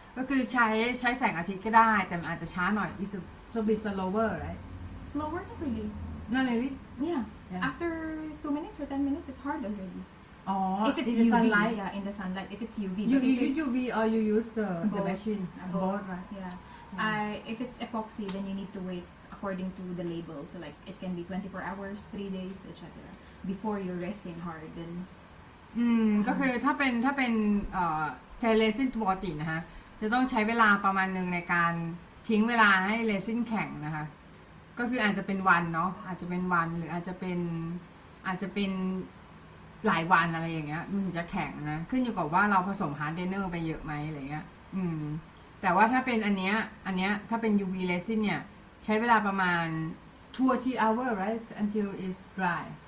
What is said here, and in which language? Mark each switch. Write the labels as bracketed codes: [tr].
[th] ก็คือใช้แสงอาทิตย์ก็ได้แต่อาจจะช้าหน่อย [en] is so be slower right slower not really not really yeah after 2 minutes or 10 minutes it's hard already oh if it's in the sunlight yeah in the sunlight if it's UV you UV or you use the machine board right yeah if it's epoxy then you need to wait according to the label so like it can be 24 hours 3 days etc before your resin hardens [th] ก็คือถ้าเป็นใช้เรซินปกตินะฮะจะต้องใช้เวลาประมาณนึงในการทิ้งเวลาให้เรซินแข็งนะคะก็คืออาจจะเป็นวันเนาะหรืออาจจะเป็นหลายวันอะไรอย่างเงี้ยมันถึงจะแข็งนะขึ้นอยู่กับว่าเราผสมฮาร์ดเดนเนอร์ไปเยอะไหมอะไรเงี้ยแต่ว่าถ้าเป็นอันเนี้ยถ้าเป็น UV เรซินเนี่ยใช้เวลาประมาณ [en] 20 hour right until it's dry